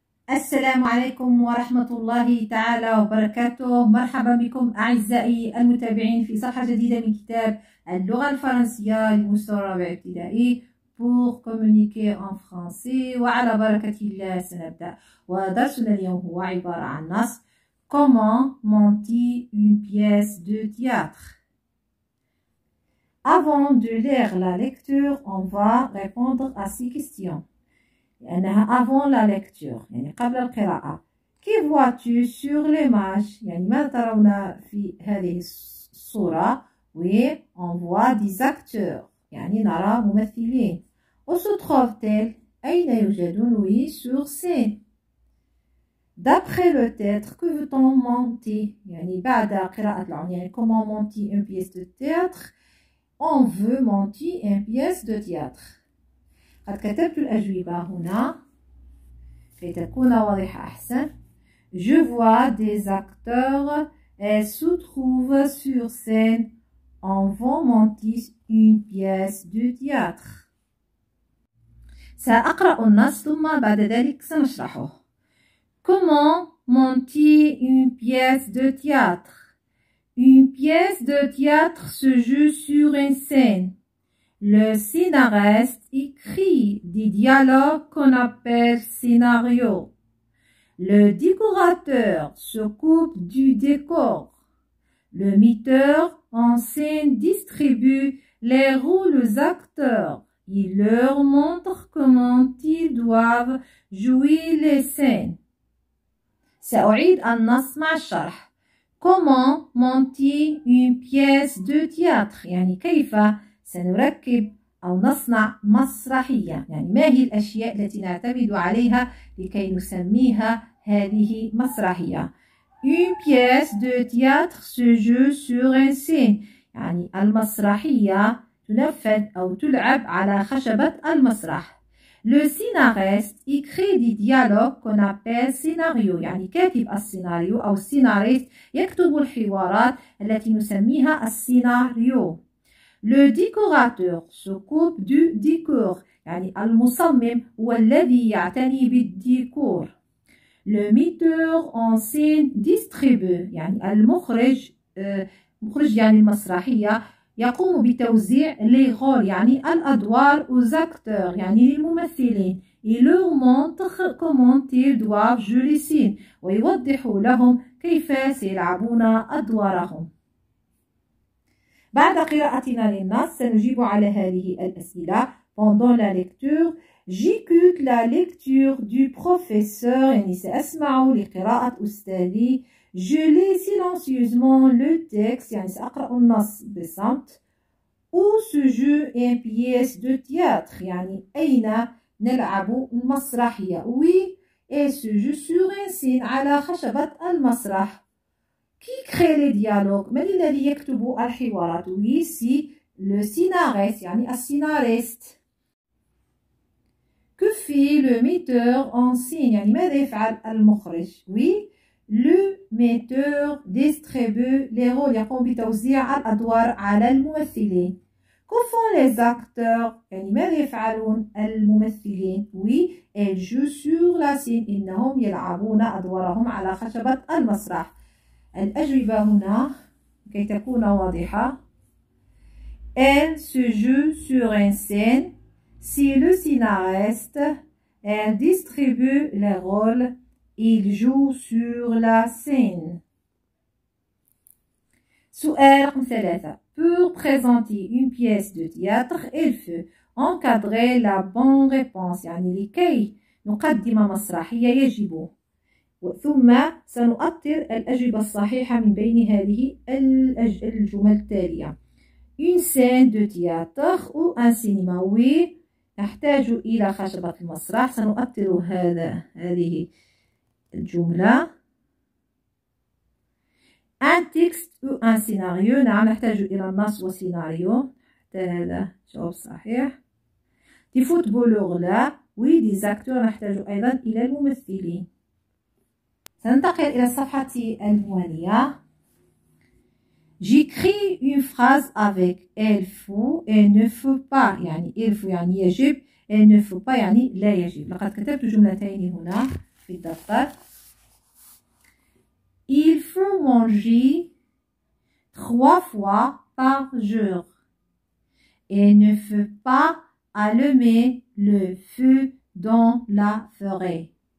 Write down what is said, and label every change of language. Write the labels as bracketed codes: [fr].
[ar] السلام عليكم ورحمة الله تعالى وبركاته، مرحبا بكم أعزائي المتابعين في صفحة جديدة من كتاب اللغة الفرنسية لمستوى الرابع ابتدائي [fr] pour communiquer en français. [ar] وعلى بركة الله سنبدأ. ودرسنا اليوم هو عبارة عن نص [fr] Comment monter une pièce de théâtre? Avant de lire la lecture, on va répondre à ces questions. [ar] يعني [fr] avant la lecture, [ar] يعني قبل القراءة. [fr] Que vois-tu sur l'image? [ar] يعني ماذا ترون في هذه الصورة؟ [fr] Oui, on voit des acteurs. [ar] يعني نرى ممثلين. [fr] Où se trouve-t-elle? [ar] أين يوجد لوي؟ [fr] Sur scène. D'après le théâtre, que veut-on monter? [ar] يعني بعد قراءة العنوان, يعني [fr] comment monter une pièce de théâtre? On veut monter une pièce de théâtre. [ar] قد كتبت الأجوبة هنا كي تكون واضحة أحسن. [fr] Je vois des acteurs et se trouve sur scène. On veut monter une pièce de théâtre. [ar] سأقرأ النص ثم بعد ذلك سنشرحه. [fr] Comment monter une pièce de théâtre? Une pièce de théâtre se joue sur une scène. Le scénariste écrit des dialogues qu'on appelle scénario. Le décorateur s'occupe du décor. Le metteur en scène distribue les rôles aux acteurs. Il leur montre comment ils doivent jouer les scènes. [ar] سأعيد النص مع الشرح. [fr] Comment monter une pièce de théâtre? [ar] يعني كيف سنركب أو نصنع مسرحية؟ يعني ما هي الأشياء التي نعتمد عليها لكي نسميها هذه مسرحية؟ [fr] Une pièce de théâtre se joue sur un scène. [ar] يعني المسرحية تنفذ أو تلعب على خشبة المسرح. [fr] Le scénariste écrit des dialogues qu'on appelle scénario. [ar] يعني كاتب السيناريو أو السيناريست يكتب الحوارات التي نسميها السيناريو. [fr] Le décorateur s'occupe du décor. [ar] يعني المصمم هو الذي يعتني بالديكور. [fr] Le metteur en scène distribue. [ar] يعني المخرج مخرج يعني المسرحية يقوم بتوزيع لي رول يعني الادوار [fr] aux acteurs [ar] يعني للممثلين. [fr] Il leur montre comment ils doivent jouer les scènes. [ar] ويوضح لهم كيف سيلعبون ادوارهم. بعد قراءتنا للنص سنجيب على هذه الاسئله. [fr] Pendant la lecture, j'écoute la lecture du professeur. [ar] يعني ساسمع لقراءه استاذي. [fr] Je lis silencieusement le texte, [ar] يعني سأقرأ النص بصمت. [fr] Où se joue une pièce de théâtre, [ar] يعني أين نلعب المسرحية؟ [fr] Oui, et se joue sur un scène, [ar] على خشبة المسرح. [fr] Qui crée les dialogues, [ar] من الذي يكتب الحوارات؟ [fr] Oui, si le scénariste, يعني السيناريست. Que fait le metteur en scène, [ar] يعني ماذا يفعل المخرج؟ [fr] Oui. Le metteur distribue les rôles, [ar] يقوم بتوزيع الأدوار على الممثلين. [fr] Que font les acteurs? [ar] يعني ماذا يفعلون الممثلين؟ [fr] Oui, ils jouent sur la scène. [ar] إنهم يلعبون أدوارهم على خشبة المسرح. الأجوبة هنا كي تكون واضحة. [fr] Elle se joue sur une scène. Si le scénariste, elle distribue les rôles. Il joue sur la scène. [ar] سؤال رقم ثلاثة. [fr] Pour présenter une pièce de théâtre, il faut encadrer la bonne réponse. [ar] يعني لكي نقدم مسرحية يجب. ثم سنؤطر الأجوبة الصحيحة من بين هذه الجمل التالية. [fr] Une scène de théâtre ou un cinéma. [ar] Oui. نحتاج إلى خشبة المسرح. سنؤطر هذه الجملة. [fr] Un texte ou un scénario. [ar] نعم نحتاج إلى النص وسيناريو. هذا جواب صحيح. [fr] دي فوتبولور لا. وي دي زاكتور. [ar] نحتاج أيضا إلى الممثلين. سننتقل إلى صفحة الموانية. [fr] J'écris une phrase avec elle faut et ne faut pas. Yani, il faut [ar] yani yajib [fr] et ne faut pas [ar] yani la yajib. [fr] Je vais écrire toujours la taille ici, [ar] في الدفتر. [fr] Il faut manger trois fois par jour et ne faut pas allumer le feu dans la forêt.